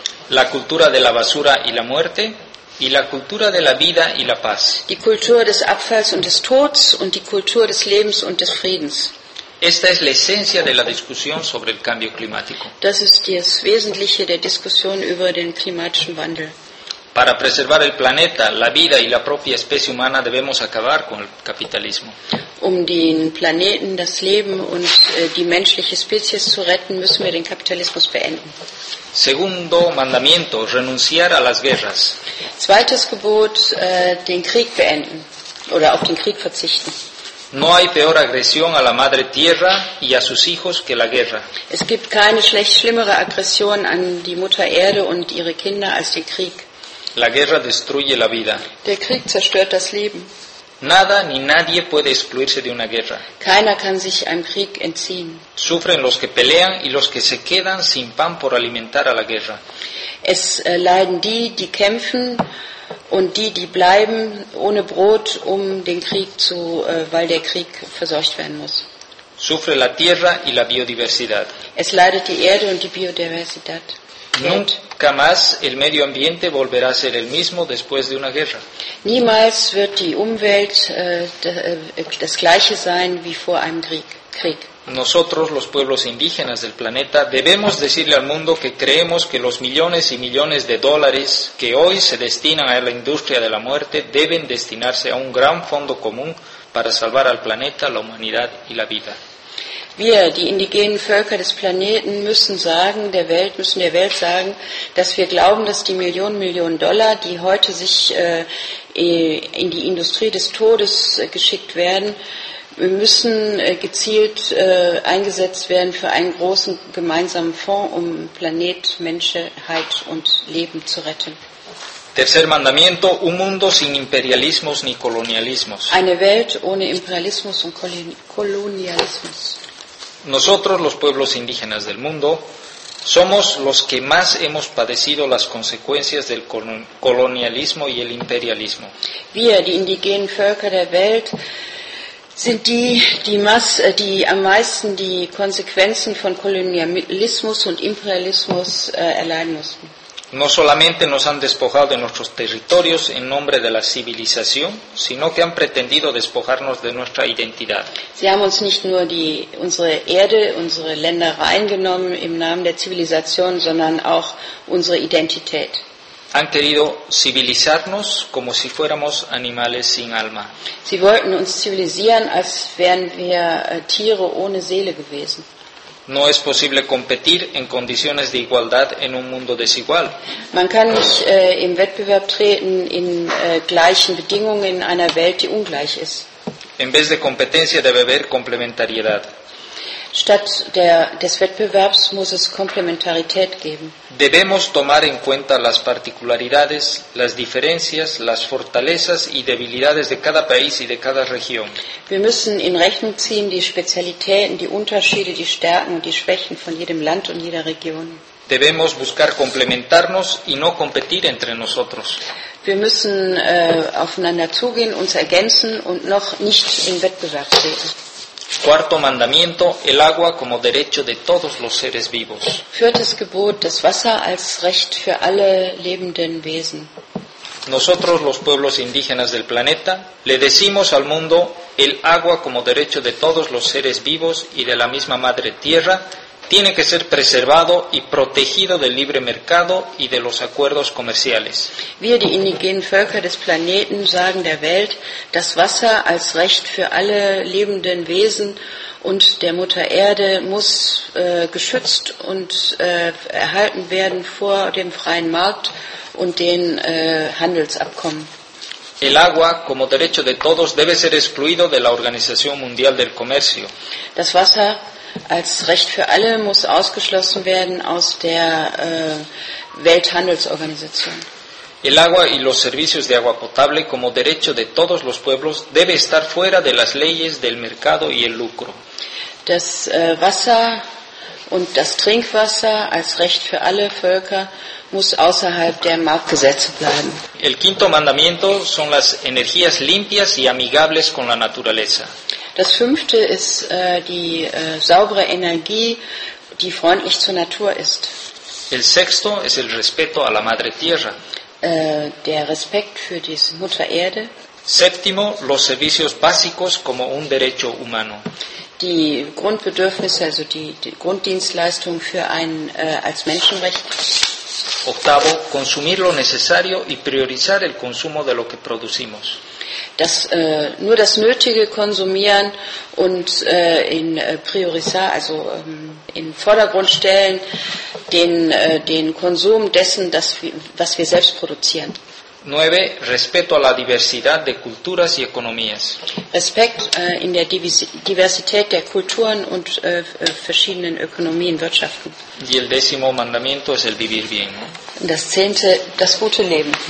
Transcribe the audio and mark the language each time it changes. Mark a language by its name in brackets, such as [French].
[Spanish] La cultura de la basura y la muerte y la cultura de la vida y la paz. [German] Die Kultur des Abfalls und des Todes und die Kultur des Lebens und des Friedens. [Spanish] Esta es la esencia de la discusión sobre el cambio climático. [German] Das ist das Wesentliche der Diskussion über den klimatischen Wandel. [Spanish] Para preservar el planeta, la vida y la propia especie humana debemos acabar con el capitalismo. [German] Um den Planeten, das Leben und die menschliche Spezies zu retten, müssen wir den Kapitalismus beenden. [Spanish] Segundo mandamiento, renunciar a las guerras. [German] Zweites Gebot, den Krieg beenden oder auf den Krieg verzichten. [Spanish] No hay peor agresión a la madre tierra y a sus hijos que la guerra. [German] Es gibt keine schlimmere Aggression an die Mutter Erde und ihre Kinder als den Krieg. [Spanish] La guerra destruye la vida. [German] Der Krieg zerstört das Leben. [Spanish] Nada ni nadie puede excluirse de una guerra. [German] Keiner kann sich einem Krieg entziehen. [Spanish] Sufren los que pelean y los que se quedan sin pan por alimentar a la guerra. [German] Es leiden die, die kämpfen und die, die bleiben ohne Brot, um den Krieg zu, weil der Krieg versorgt werden muss. [Spanish] Sufre la tierra y la biodiversidad. [German] Es leidet die Erde und die Biodiversität. [Spanish] Nunca más el medio ambiente volverá a ser el mismo después de una guerra. [German] Niemals wird die Umwelt das gleiche sein wie vor einem Krieg. [Spanish] Nosotros, los pueblos indígenas del planeta, debemos decirle al mundo que creemos que los millones y millones de dólares que hoy se destinan a la industria de la muerte deben destinarse a un gran fondo común para salvar al planeta, la humanidad y la vida. [German] Wir, die indigenen Völker des Planeten, müssen der Welt sagen, dass wir glauben, dass die Millionen Dollar, die heute sich in die Industrie des Todes geschickt werden, müssen gezielt eingesetzt werden für einen großen gemeinsamen Fonds, um Planet, Menschheit und Leben zu retten. [Spanish] Tercer mandamiento, un mundo sin imperialismos ni colonialismos. [German] Eine Welt ohne Imperialismus und Kolonialismus. [Spanish] Nosotros, los pueblos indígenas del mundo, somos los que más hemos padecido las consecuencias del colonialismo y el imperialismo. [German] Wir, die indigenen Völker der Welt, sind die am meisten die Konsequenzen von Kolonialismus und Imperialismus erleiden mussten. [Spanish] No solamente nos han despojado de nuestros territorios en nombre de la civilización, sino que han pretendido despojarnos de nuestra identidad. [German] Sie haben uns nicht nur unsere Erde, unsere Länder reingenommen im Namen der Zivilisation, sondern auch unsere Identität. [Spanish] Han querido civilizarnos como si fuéramos animales sin alma. [German] Sie wollten uns zivilisieren, als wären wir Tiere ohne Seele gewesen. [Spanish] No es posible competir en condiciones de igualdad en un mundo desigual. [German] Man kann nicht im Wettbewerb treten in gleichen Bedingungen in einer Welt, die ungleich ist. [Spanish] En vez de competencia debe haber complementariedad. [German] Statt des Wettbewerbs muss es Komplementarität geben. [Spanish] Debemos tomar en cuenta las particularidades, las diferencias, las fortalezas y debilidades de cada país y de cada región. [German] Wir müssen in Rechnung ziehen die Spezialitäten, die Unterschiede, die Stärken und die Schwächen von jedem Land und jeder Region. [Spanish] Debemos buscar complementarnos y no competir entre nosotros. [German] Wir müssen aufeinander zugehen, uns ergänzen und noch nicht im Wettbewerb treten. [Spanish] Cuarto mandamiento, el agua como derecho de todos los seres vivos. [German] Viertes Gebot, das Wasser als Recht für alle lebenden Wesen. [Spanish] Nosotros, los pueblos indígenas del planeta, le decimos al mundo el agua como derecho de todos los seres vivos y de la misma madre tierra, tiene que ser preservado y protegido del libre mercado y de los acuerdos comerciales. [German] Wir, die indigenen Völker des Planeten, sagen der Welt, das Wasser als Recht für alle lebenden Wesen und der Mutter Erde muss geschützt und erhalten werden vor dem freien Markt und den Handelsabkommen. [Spanish] El agua como derecho de todos debe ser excluido de la Organización Mundial del Comercio. [German] Das Wasser als Recht für alle muss ausgeschlossen werden aus der Welthandelsorganisation. [Spanish] El agua y los servicios de agua potable como derecho de todos los pueblos debe estar fuera de las leyes del mercado y el lucro. [German] Das Wasser und das Trinkwasser als Recht für alle Völker muss außerhalb der Marktgesetze bleiben. [Spanish] El quinto mandamiento son las energías limpias y amigables con la naturaleza. [German] Das fünfte ist die saubere Energie, die freundlich zur Natur ist. [Spanish] El sexto es el respeto a la madre tierra. [German] Der Respekt für die Mutter Erde. [Spanish] Séptimo, los servicios básicos como un derecho humano. [German] Die Grundbedürfnisse, also die Grunddienstleistung für einen als Menschenrecht. [Spanish] Octavo, consumir lo necesario y priorizar el consumo de lo que producimos. [German] Das nur das Nötige konsumieren und in priorisar, also in Vordergrund stellen, den Konsum dessen, was wir selbst produzieren. [Spanish] Nueve, respeto a la diversidad de culturas y economías. [German] Respekt in der Diversität der Kulturen und verschiedenen Ökonomien, Wirtschaften. [Spanish] Y el décimo mandamiento es el vivir bien. [German] Das zehnte, das gute Leben.